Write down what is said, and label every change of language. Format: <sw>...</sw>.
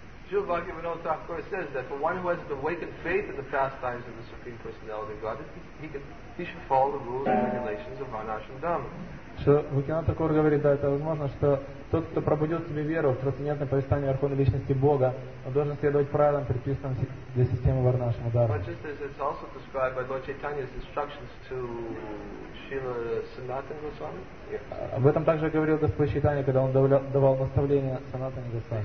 <en>Shrila Bhaktivinoda Thakur says that for one who has awakened faith in the pastimes of the Supreme Personality of Godhead, he should follow the rules and regulations of Varnashram Dhamma.</en> <ru>Shrila Bhaktivinoda Thakur говорит, да, это возможно, что тот, кто пробудил в себе веру в трансцендентное повествование Верховной Личности Бога, он должен следовать правилам, предписанным для системы Варнашрама Дхамма.</ru> <en>But just as it's also described by Lord Chaitanya's instructions to Shrila Sanatana Goswami.</en> <ru>Об этом также говорил Господь Чайтанья, когда он давал наставление Санатане Госвами.</ru>